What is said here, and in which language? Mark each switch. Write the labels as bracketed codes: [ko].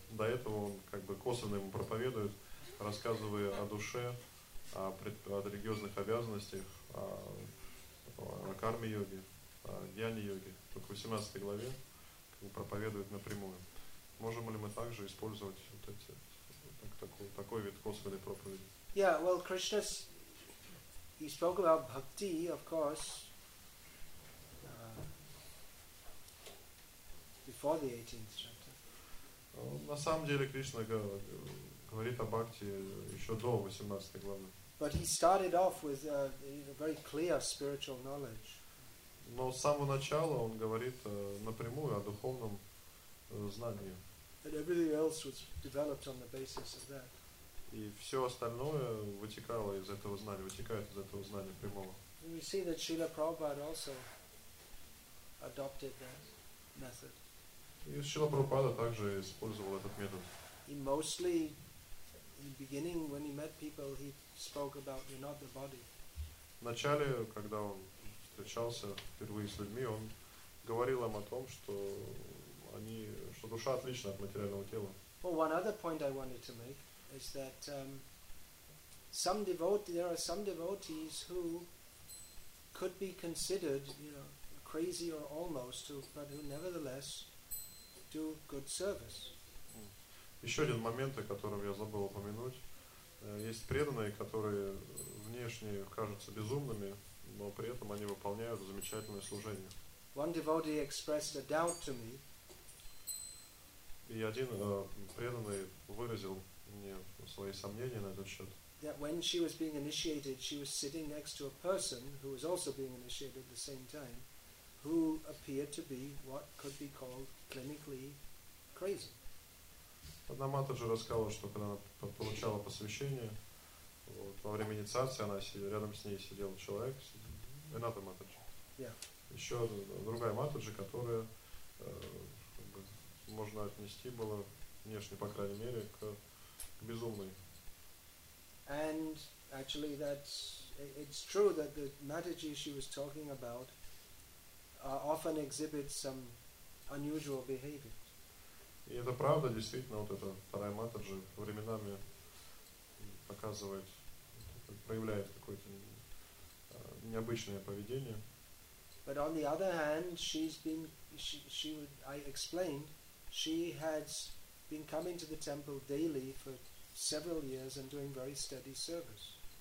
[ru] До этого он как бы косвенно ему проповедует, рассказывая о душе, о религиозных обязанностях, о карме-йоге, о гьяне-йоге. Только в 18 главе как бы проповедует напрямую. Можем ли мы также использовать вот эти, такой вид косвенной проповеди? [en] Yeah, well, Krishna, he spoke about bhakti, of course. Before the 18th chapter. [ru] На самом деле Кришна говорит о бхакти еще до 18 главы. [en] But he started off with a very clear spiritual knowledge. [ru] Но с самого начала он говорит напрямую о духовном знании. [en] And everything else was developed on the basis of that. [ru] И все остальное вытекало из этого знания, вытекает из этого знания прямого. [en] We see that Srila Prabhupada also adopted that method. [ru] И Шрила Прабхупада также использовал этот метод. [en] He mostly, in the beginning, when he met people, he spoke about you're not the body. [ru] В начале, когда он встречался впервые с людьми, он говорил им о том, что они, что душа отлична от материального тела. [en] Well, one other point I wanted to make is that there are some devotees who could be considered, you know, crazy or almost, but who nevertheless do good service. [ru] Еще один момент, о котором я забыл упомянуть. Есть преданные, которые внешне кажутся безумными, но при этом они выполняют замечательное служение. [en] One devotee expressed a doubt to me. [ru] И один преданный выразил мне свои сомнения на этот счет. [en] That when she was being initiated, she was sitting next to a person who was also being initiated at the same time, who appeared to be what could be called clinically crazy. [ru] Одна матаджа рассказала, что когда она получала посвящение, вот, во время инициации она рядом с ней сидел человек, Рената матаджа. [en] Yeah. [ru] Еще другая матаджа, которая как бы, можно отнести было внешне, по крайней мере, к безумной. [en] And actually it's true that the matterji she was talking about often exhibit some unusual behavior. [ru] И это правда, действительно, вот эта вторая матаджа временами показывает, проявляет какое-то необычное поведение. [en] But on the other hand, she had been coming to the temple daily for several years and doing very steady service.